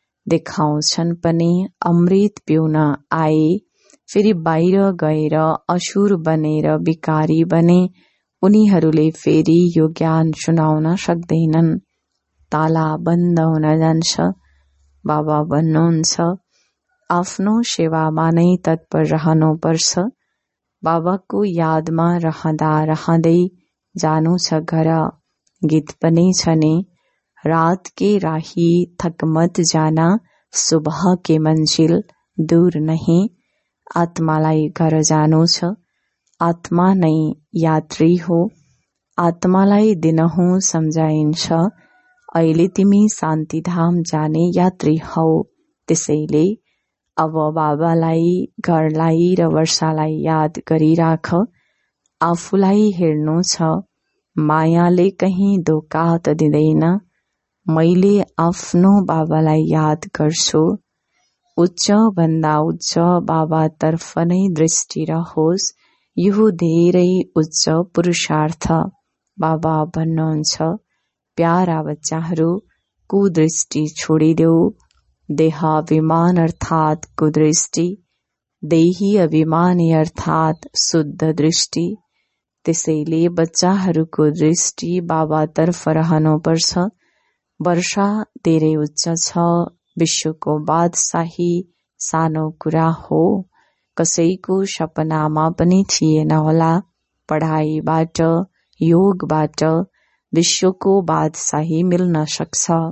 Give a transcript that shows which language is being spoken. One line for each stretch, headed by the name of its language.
Nepali: देखाउँछन् पनि अमृत पिउन आए फेरि बाहिर गएर असुर बनेर भिकारी बने उनीहरूले फेरि यो ज्ञान सुनाउन सक्दैनन्, ताला बन्द हुन जान्छ। बाबा भन्नुहुन्छ आफ्नो सेवामा नै तत्पर रहनु पर्छ, बाबाको यादमा रहँदा रहँदै जानु छ घर। गीत पनि छ नि,
Hindi: रात के राही थक मत जाना, सुबह के मन्जिल दूर नहीं।
Nepali: आत्मालाई घर जानु छ, आत्मा नै यात्री हो, आत्मालाई दिनहुँ सम्झाइन्छ अहिले तिमी शान्तिधाम जाने यात्री हौ। त्यसैले अब बाबालाई, घरलाई र वर्षालाई याद गरिराख, आफूलाई हेर्नु छ। मायाले कहीँ धोका त दिँदैन, मैले आफ्नो बाबालाई याद गर्छु। उच्च भन्दा उच्च बाबातर्फ नै दृष्टि रहोस्, यो धेरै उच्च पुरुषार्थ। बाबा भन्नुहुन्छ प्यारा बच्चाहरू, कुदृष्टि छोडिदेऊ। देह अभिमान अर्थात कुदृष्टि, देही अभिमानी अर्थात शुद्ध दृष्टि। त्यसैले बच्चाहरूको दृष्टि बाबातर्फ रहनु पर्छ। वर्षा धेरै उच्च छ, विश्वको बादशाही सानो कुरा हो, कसैको सपनामा पनि थिएन होला। पढाइबाट, योगबाट विश्वको बादशाही मिल्न सक्छ।